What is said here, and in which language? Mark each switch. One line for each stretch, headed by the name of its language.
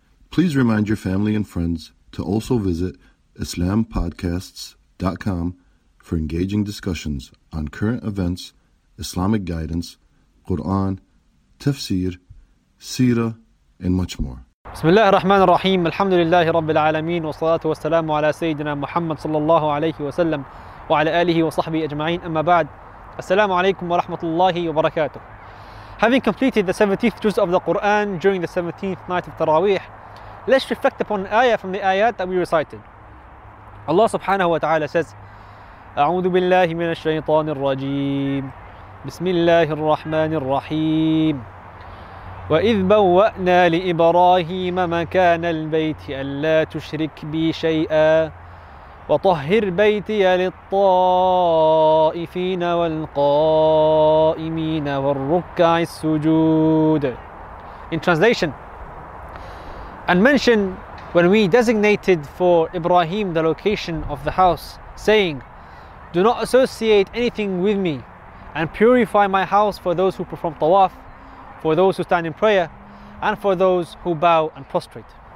English: Please remind your family and friends to also visit IslamPodcasts.com for engaging discussions on current events, Islamic guidance, Quran, tafsir, seerah, and much more.
Arabic: بسم الله الرحمن الرحيم الحمد لله رب العالمين والصلاة والسلام على سيدنا محمد صلى الله عليه وسلم وعلى آله وصحبه أجمعين أما بعد السلام عليكم ورحمة الله وبركاته.
English: Having completed the 17th juz of the Quran during the 17th night of Taraweeh, let's reflect upon an ayah from the ayat that we recited. Allah سبحانه وتعالى says,
Arabic: أعوذ بالله من الشيطان الرجيم بسم الله الرحمن الرحيم وَإِذْ بَوَّأْنَا لِإِبْرَاهِيمَ مَكَانَ الْبَيْتِ أَلَّا تُشْرِكْ بِي شَيْئًا وَطَهِّرْ بَيْتِيَ لِلطَّائِفِينَ وَالْقَائِمِينَ وَالرُّكَّعِ السُّجُودِ.
English: In translation, and mention when we designated for Ibrahim the location of the house, saying, Do not associate anything with me, and purify my house for those who perform tawaf, for those who stand in prayer, and for those who bow and prostrate.